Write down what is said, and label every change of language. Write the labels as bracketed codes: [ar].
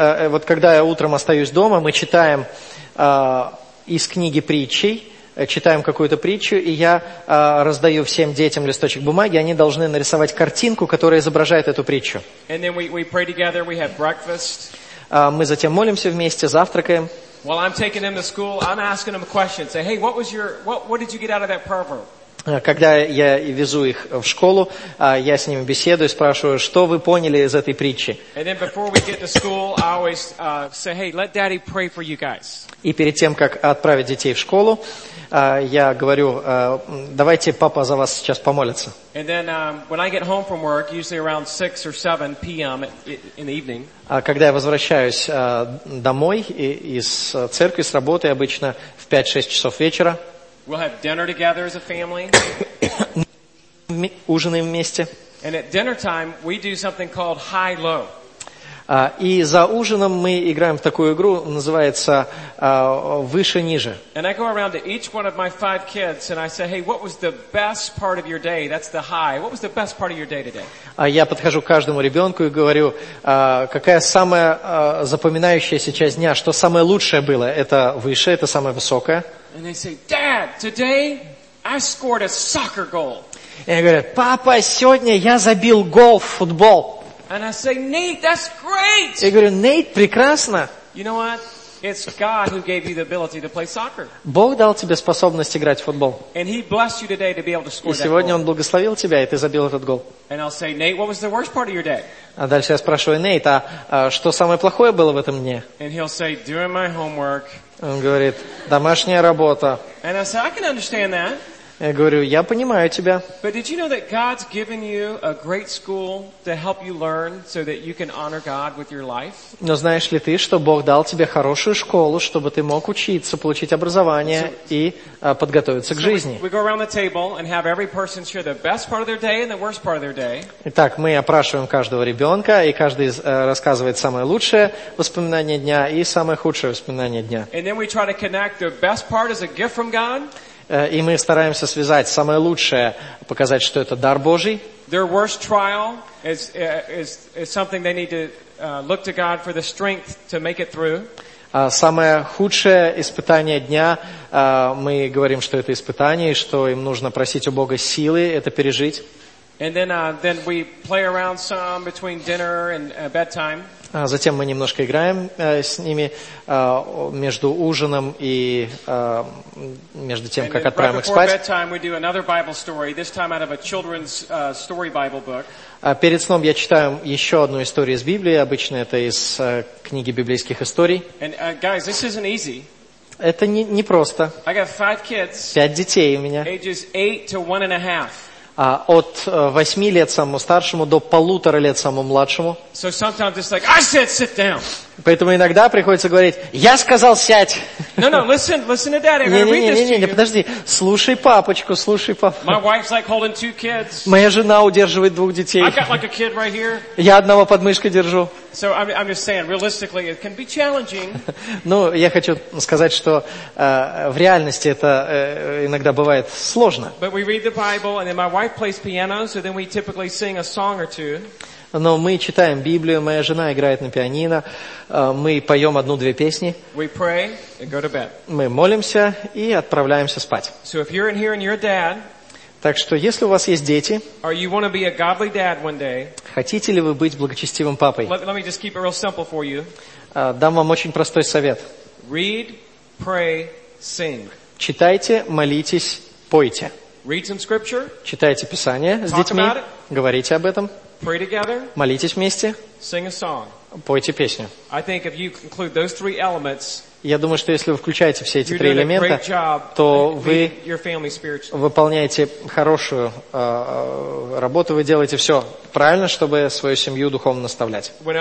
[ru] Вот когда я утром остаюсь дома, мы читаем из книги притчей, читаем какую-то притчу, и я раздаю всем детям листочек бумаги, они должны нарисовать картинку, которая изображает эту притчу. [en] And then we pray together, we have breakfast. [ru] Мы затем молимся вместе, завтракаем. [en] While I'm taking them to school, I'm asking them questions. Say, hey, what did you get out of that proverb? [ru] Когда я везу их в школу, я с ними беседую, спрашиваю, что вы поняли из этой притчи. [en] And then before we get to school, I always say, hey, let daddy pray for you guys. [ru] И перед тем, как отправить детей в школу, я говорю, давайте папа за вас сейчас помолится. [en] And then when I get home from work, usually around 6 or 7 p.m. in the evening. [ru] Когда я возвращаюсь домой из церкви, с работы, обычно в 5-6 часов вечера. [en] We'll have dinner together as a family. [ru] Ужинаем вместе. [en] And at dinner time, we do something called high-low. [ru] И за ужином мы играем в такую игру, называется «Выше-ниже». [en] And I go around to each one of my 5 kids and I say, hey, what was the best part of your day? That's the high. What was the best part of your day today? [ru] Я подхожу к каждому ребенку и говорю, какая самая запоминающаяся часть дня, что самое лучшее было? Это выше, это самое высокое. [en] And they say, Dad, today I scored a soccer goal. [ru] И они говорят, папа, сегодня я забил гол в футбол. [en] And I say, Nate, that's great. [ru] Я говорю, Нейт, прекрасно. [en] You know what? It's God who gave you the ability to play soccer. [ru] Бог дал тебе способность играть в футбол. [en] And He blessed you today to be able to score that goal. [ru] И сегодня Он благословил тебя, и ты забил этот гол. [en] And I'll say, Nate, what was the worst part of your day? [ru] А дальше я спрашиваю, Нейт, а что самое плохое было в этом дне? [en] And he'll say, doing my homework. [ru] Он говорит, домашняя работа. [en] And I say, I can understand that. [ru] Я говорю, я понимаю тебя. [en] But did you know that God's given you a great school to help you learn so that you can honor God with your life? [ru] Но знаешь ли ты, что Бог дал тебе хорошую школу, чтобы ты мог учиться, получить образование и подготовиться к жизни? [en] We go around the table and have every person share the best part of their day and the worst part of their day. [ru] Итак, мы опрашиваем каждого ребенка, и каждый рассказывает самое лучшее воспоминание дня и самое худшее воспоминание дня. [en] And then we try to connect the best part as a gift from God. [ru] И мы стараемся связать самое лучшее, показать, что это дар Божий. [en] Their worst trial is something they need to look to God for the strength to make it through. [ru] Самое худшее испытание дня, мы говорим, что это испытание, и что им нужно просить у Бога силы это пережить. [en] And then we play around some between dinner and bedtime. [ru] А затем мы немножко играем с ними между ужином и между тем, как отправим их спать. [en] Bedtime, we do another Bible story, this time out of a children's story Bible book. [ru] Перед сном я читаю еще одну историю из Библии. Обычно это из книги библейских историй. [en] And guys, this isn't easy. [ru] Это не просто. [en] I got 5 kids. [ru] 5 детей у меня. [en] Ages 8 to 1.5. [ru] От 8 лет самому старшему до 1.5 лет самому младшему. [en] So sometimes it's like, I said, sit down. [ru] Поэтому иногда приходится говорить, я сказал сядь. [en] No, no, listen to daddy. I'm gonna read this to you. [ru] Не, подожди. Слушай папочку, слушай папочку. [en] My wife's like holding 2 kids. [ru] Моя жена удерживает 2 детей. [en] I got like a kid right here. [ru] Я одного под мышкой держу. [en] So I'm just saying, realistically, it can be challenging. [ru] Ну, я хочу сказать, что в реальности это иногда бывает сложно. [en] But we read the Bible, and then my wife plays piano, so then we typically sing a song or two. [ru] Но мы читаем Библию, моя жена играет на пианино, мы поем 1-2 песни. [en] We pray and go to bed. [ru] Мы молимся и отправляемся спать. [en] So if you're in here and you're a dad, [ru] так что если у вас есть дети, [en] or you want to be a godly dad one day, [ru] хотите ли вы быть благочестивым папой? [en] Let me just keep it real simple for you. [ru] Дам вам очень простой совет. [en] Read, pray, sing. [ru] Читайте, молитесь, пойте. [en] Read some scripture. [ru] Читайте Писание с детьми. [en] Talk about it. [ru] Говорите об этом. [en] Pray together. [ru] Молитесь вместе. [en] Sing a song. [ru] Пойте песню. [en] I think if you include those three elements, [ru] я думаю, что если вы включаете все эти три элемента, то вы выполняете хорошую работу, вы делаете все правильно, чтобы свою семью духовно наставлять.